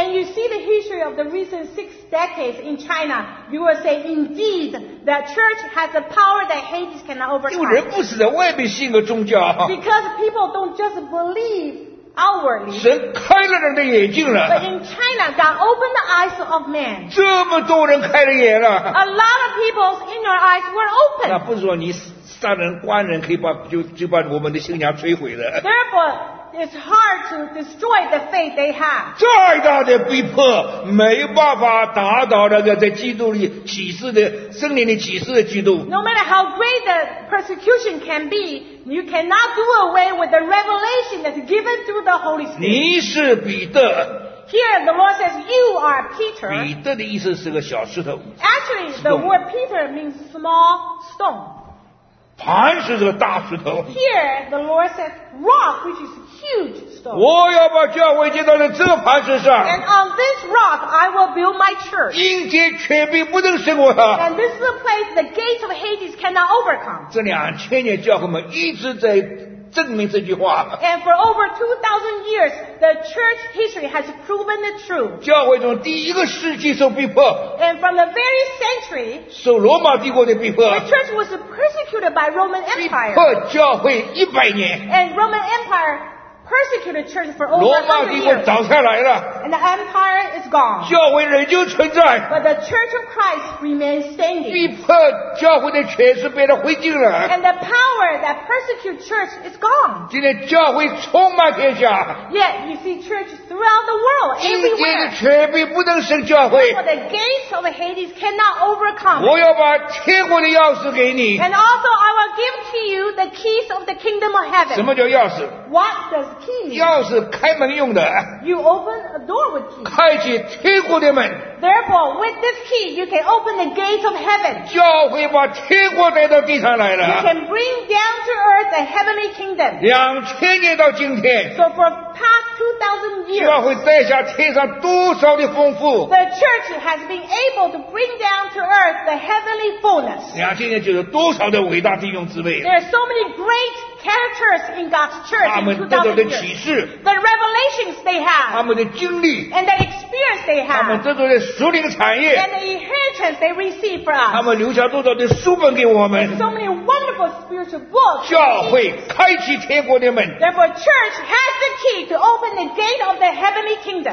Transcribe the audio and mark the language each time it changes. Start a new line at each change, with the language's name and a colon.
English: And you see the history of the recent 6 decades in China, you will say indeed the church has a power that Hades cannot overcome.
Chinese: 因为人不是在外面信个宗教。
English: Because people don't just believe. Outwardly,
Chinese: 神开了人的眼睛了。
English: But in China, God opened the eyes of man.
Chinese: 这么多人开了眼了。
English: A lot of people's inner eyes were open.
Chinese: 那不是说你杀人官人可以把我们的信仰摧毁的。
English: Therefore, it's hard to destroy the faith they have.
Chinese: 再大的逼迫没办法打倒那个在基督里启示的圣灵的启示的基督。
English: No matter how great the persecution can be. You cannot do away with the revelation that's given through the Holy Spirit.
Chinese: 你是彼得。
English: Here the Lord says, "You are Peter."
Chinese: 彼得的意思是个小石头。
English: Actually, the word Peter means small stone.
Chinese: 磐石是个大石头。
English: Here the Lord says, "Rock," which is huge stone.
Chinese: 我要把教会建造在这磐石上。
English: And on this rock, I will build my church.
Chinese: 阴间权柄不能胜过他。
English: And this is a place the gates of Hades cannot overcome.
Chinese: 这两千年教会们一直在。证明这句话。
English: And for over 2,000 years, the church history has proven the truth.
Chinese: 教会从第一个世纪受逼迫。
English: And from the very century,
Chinese: 受罗马帝国的逼迫。
English: The church was persecuted by Roman Empire.
Chinese: 逼迫教会一百年。
English: And Roman Empire persecuted church for over 100 years.
Chinese: 罗马帝国倒下来了。
English: And the empire is gone.
Chinese: 教会仍旧存在。
English: But the church of Christ remains standing.
Chinese: 逼迫教会的权势被他挥尽了。
English: And the power that persecutes church is gone.
Chinese: 今天教会充满天下。
English: Yet you see church throughout the world, everywhere.
Chinese: 今天的权柄不能胜教会。
English: For the gates of Hades cannot overcome.
Chinese: 我要把天国的钥匙给你。
English: And also I will give to you the keys of the kingdom of heaven.
Chinese: 什么叫钥匙？
English: What does key?
Chinese: 钥匙开门用的。
English: You open a door with key.
Chinese: 开启天国的门。
English: Therefore, with this key, you can open the gates of heaven.
Chinese: 教会把天国带到地上来了。
English: You can bring down to earth a heavenly kingdom.
Chinese: 两千年到今天。
English: So for past 2,000 years,
Chinese: 教会带下天上多少的丰富。
English: The church has been able to bring down to earth the heavenly fullness.
Chinese: 两千年就是多少的伟大弟兄姊妹。
English: There are so many great characters in God's church in 2,000 years. The revelations they have.
Chinese: 他们的经历。
English: And the experience they have.
Chinese: 他们得到的属灵产业。
English: And the inheritance they receive from us.
Chinese: 他们留下多少的书本给我们。
English: And so many wonderful spiritual books.
Chinese: 教会开启天国的门。
English: Therefore, church has the key to open the gate of the heavenly kingdom.